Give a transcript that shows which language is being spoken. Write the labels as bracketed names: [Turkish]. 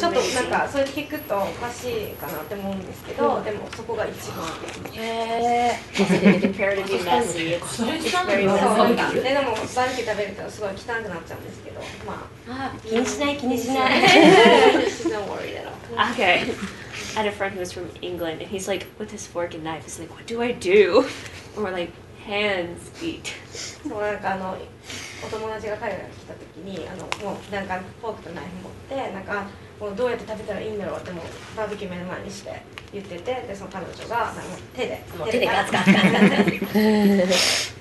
[Japanese] ちょっとなんかそれ聞くとおかしいかなって思うんですけど、でもそこが一番いい。へ [English] ぇー。Comparatively messy. It's very messy. [Japanese] でもバーベキュー食べるとすごい汚くなっちゃうんですけど、まあ。気にしない気にしない。 [English] She's not worried at all. Okay. I had a friend who was from England and he's like with his fork and knife. He's like, what do I do? Or like hands eat. [Japanese] そうなんかあのお友達が海外に来た時にあのもうなんかフォークとナイフ持ってなんかもうどうやって食べたらいいんだろうってもうバーベキュー目の前にして言っててでその彼女が手でガツガツガツ。